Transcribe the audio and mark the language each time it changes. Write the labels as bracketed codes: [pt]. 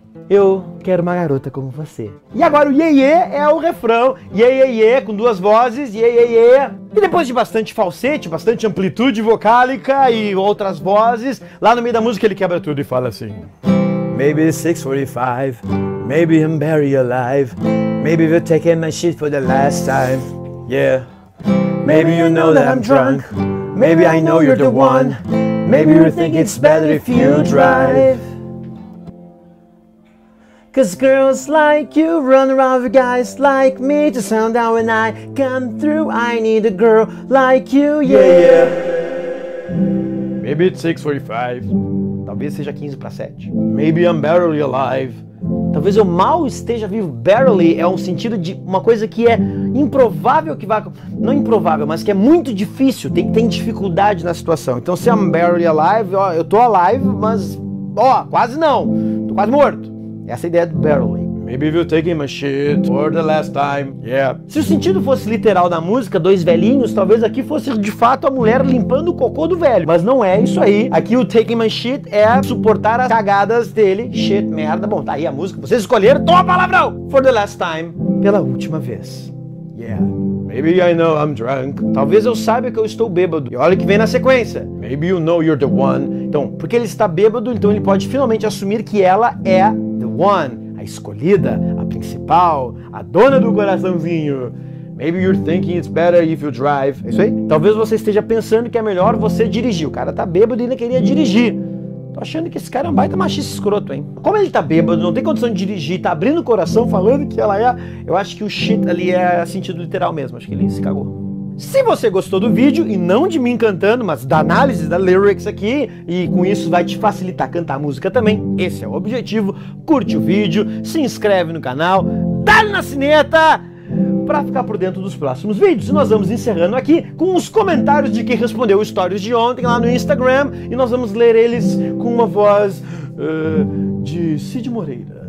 [pt] Eu quero uma garota como você. E agora o iê-iê é o refrão. Iê-iê-iê, com duas vozes. Iê-iê-iê. E depois de bastante falsete, bastante amplitude vocálica e outras vozes, lá no meio da música ele quebra tudo e fala assim. [en] Maybe 6:45. Maybe I'm buried alive. Maybe we're taking my shit for the last time. Yeah. Maybe you know that I'm drunk. Maybe I know you're the one. Maybe you think it's better if you drive. Cause girls like you run around with guys like me. To sound out when I come through, I need a girl like you, yeah, yeah. Maybe it's 6:45. [pt] Talvez seja 15 para 7. [en] Maybe I'm barely alive. [pt] Talvez eu mal esteja vivo. Barely é um sentido de uma coisa que é improvável que vá... Não improvável, mas que é muito difícil, tem dificuldade na situação. Então se [en] I'm barely alive, [pt] ó, eu tô alive, mas... Ó, quase não. Tô quase morto. Essa é a ideia do barely. [en] Maybe we're taking my shit for the last time. Yeah. [pt] Se o sentido fosse literal da música, dois velhinhos, talvez aqui fosse de fato a mulher limpando o cocô do velho. Mas não é isso aí. Aqui o [en] taking my shit [pt] é suportar as cagadas dele. Shit, merda. Bom, tá aí a música. Vocês escolheram. Toma palavrão! [en] For the last time. [pt] Pela última vez. Yeah. [en] Maybe I know I'm drunk. [pt] Talvez eu saiba que eu estou bêbado. E olha o que vem na sequência. [en] Maybe you know you're the one. [pt] Então, porque ele está bêbado, então ele pode finalmente assumir que ela é the one. A escolhida, a principal, a dona do coraçãozinho. [en] Maybe you're thinking it's better if you drive. [pt] É isso aí? Talvez você esteja pensando que é melhor você dirigir. O cara tá bêbado e ainda queria dirigir. Tô achando que esse cara é um baita machista escroto, hein? Como ele tá bêbado, não tem condição de dirigir, tá abrindo o coração falando que ela é... Eu acho que o shit ali é sentido literal mesmo. Acho que ele se cagou. Se você gostou do vídeo, e não de mim cantando, mas da análise, da lyrics aqui, e com isso vai te facilitar cantar a música também, esse é o objetivo, curte o vídeo, se inscreve no canal, dá-lhe na sineta, pra ficar por dentro dos próximos vídeos. E nós vamos encerrando aqui com os comentários de quem respondeu o stories de ontem lá no Instagram, e nós vamos ler eles com uma voz de Cid Moreira.